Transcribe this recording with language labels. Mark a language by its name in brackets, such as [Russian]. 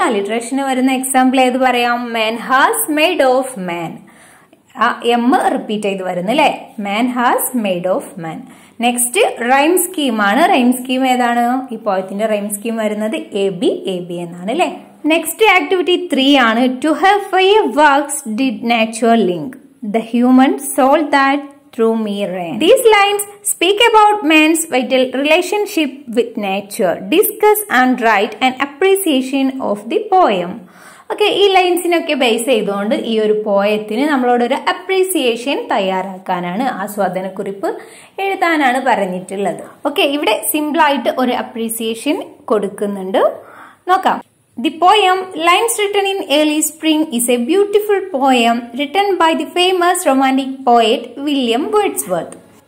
[Malayalam] അലിട്രേഷന് വരുന്ന എക്സാമ്പിൾ ഏത് പറയാം? [English] man has made of man, [Malayalam] ആ എം റിപ്പീറ്റ് ചെയ്ത് വരുന്നു അല്ലേ, man has made of man. Next rhyme scheme ആണ്. റൈം സ്കീം ഏതാണ്? ഈ പോയത്തിന്റെ റൈം സ്കീം വരുന്നത് AB AB എന്നാണ് അല്ലേ. [English] Next activity 3 ആണ്. To have five works did natural link the human soul that through me ran. These lines speak about man's vital relationship with nature. Discuss and write an appreciation of the poem. [Malayalam] Okay, ഈ ലൈൻസിനൊക്കെ base ചെയ്തുകൊണ്ട് ഈ ഒരു പോയത്തിന് നമ്മളോടൊരു appreciation തയ്യാറാക്കാനാണ്, ആസ്വാദനക്കുറിപ്പ് എഴുതാനാണ് പറഞ്ഞിട്ടുള്ളത്. Okay, ഇവിടെ സിമ്പിളായിട്ട് ഒരു appreciation കൊടുക്കുന്നുണ്ട്. നോക്കാം. [English] The poem lines written in early spring is a beautiful poem written by the famous romantic poet William Wordsworth.